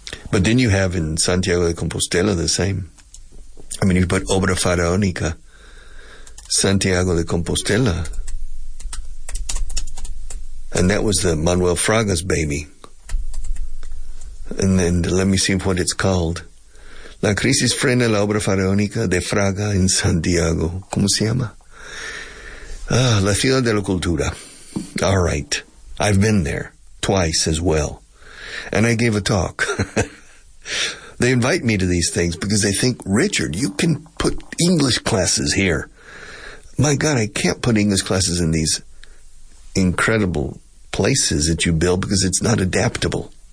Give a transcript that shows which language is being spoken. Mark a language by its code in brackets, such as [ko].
[en] But then you have in Santiago de Compostela the same. I mean, you put Obra Faraónica, Santiago de Compostela. And that was the Manuel Fraga's baby. And then let me see what it's called. [es] La crisis frena la obra faraónica de Fraga en Santiago. ¿Cómo se llama? [en] La ciudad de la cultura. All right. I've been there twice as well. and I gave a talk. They invite me to these things because they think, Richard, you can put English classes here. My God, I can't put English classes in these incredible places that you build because it's not adaptable.